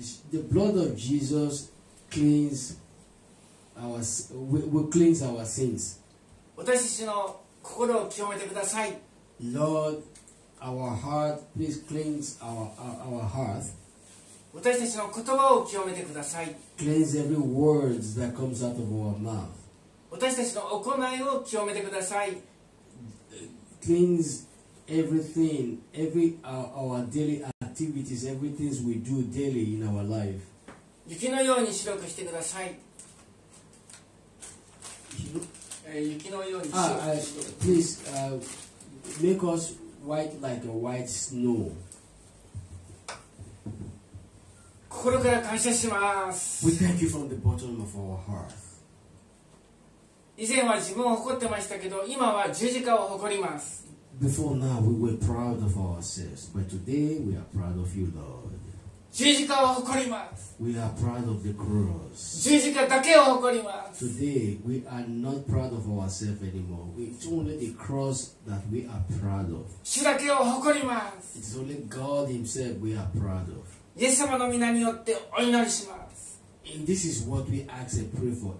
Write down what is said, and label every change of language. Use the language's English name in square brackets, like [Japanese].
[English] The blood of Jesus cleanses. We cleanse our sins. [Japanese] 私たちの心を清めてください。 [English] Lord, our heart, please cleanse our heart. [Japanese] 私たちの言葉を清めてください。 [English] Cleanse every word that comes out of our mouth. [Japanese] 私たちの行いを清めてください。 [English] Cleanse everything, every our daily activities, everything we do daily in our life. [Japanese] 雪のように白くしてください。 [English] Please make us white like a white snow. [Japanese] 心から感謝します。 [English] We thank you from the bottom of our heart. [Japanese] 以前は自分を誇ってましたけど、今は十字架を誇ります。 [English] Before now we were proud of ourselves, but today we are proud of you, Lord. [Japanese] 十字架を誇ります。 [English] We are proud of the cross. [Japanese] 十字架だけを誇ります。 [English] Today we are not proud of ourselves anymore. It's only the cross that we are proud of. [Japanese] 主だけを誇ります。 [English] It's only God Himself we are proud of. [Japanese] イエス様の名によってお祈りします。 [English] And this is what we ask and pray for.